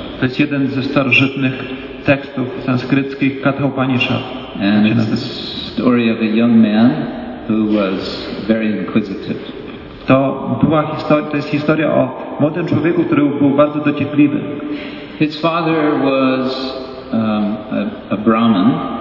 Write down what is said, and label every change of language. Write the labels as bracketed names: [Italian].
[Polish] To jest jeden ze starożytnych tekstów sanskryckich, Katha Upanishad. [English] And it's the story of a young man who was very inquisitive. [Polish] To była historia, to jest historia o młodym człowieku, który był bardzo dociekliwy. [English] His father was a Brahmin.